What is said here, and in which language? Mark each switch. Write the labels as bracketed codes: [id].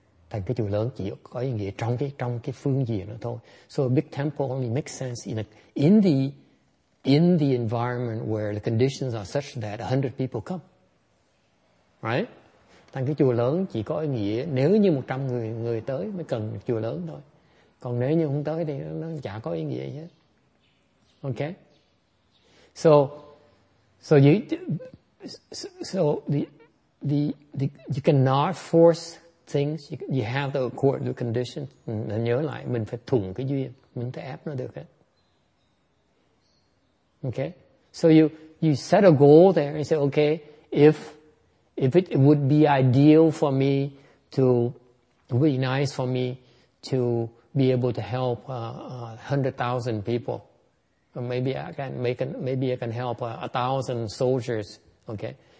[vi] Thành cái chùa lớn chỉ có ý nghĩa trong cái phương diện đó thôi. [en] So a big temple only makes sense in the environment where the conditions are such that 100 people come. Right? [vi] Thành cái chùa lớn chỉ có ý nghĩa nếu như 100 người tới mới cần chùa lớn thôi. Còn nếu như không tới thì nó chả có ý nghĩa hết. [en] Okay? So you cannot force things, you have to accord the condition. [vi] Nhớ lại, mình phải thuận cái duyên, mình phải ép nó được. [en] Okay? So you set a goal there and say, okay, if it would be ideal for me to, it would be nice for me to be able to help 100,000 people. Or maybe I can help 1,000 soldiers. Okay?